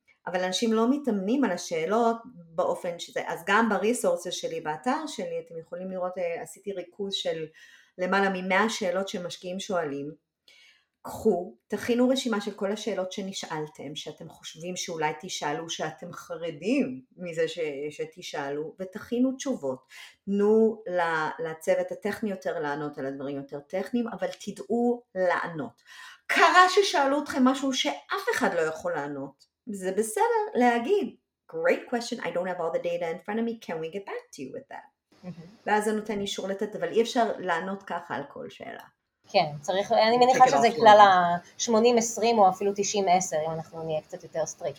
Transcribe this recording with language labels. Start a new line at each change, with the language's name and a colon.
Hebrew: אבל אנשים לא מתאמנים על השאלות באופן שזה, אז גם בריסורסס שלי, באתר שלי, אתם יכולים לראות, עשיתי ריכוז של למעלה מ-100 שאלות שמשקיעים שואלים, קחו, תכינו רשימה של כל השאלות שנשאלתם, שאתם חושבים שאולי תשאלו, שאתם חרדים מזה שתשאלו, ותכינו תשובות. תנו לצוות הטכני יותר לענות על הדברים יותר טכניים, אבל תדעו לענות. קרה ששאלו אתכם משהו שאף אחד לא יכול לענות. זה בסדר להגיד,
English: great question, I don't have all the data in front of me, can we get back to you with that?
Hebrew: ואז זה נותן אישור לתת, אבל אי אפשר לענות ככה על כל שאלה. כן, צריך, אני מניחה שזה כלל ה-80-20 או אפילו 90-10, אם אנחנו נהיה קצת יותר סטריקט.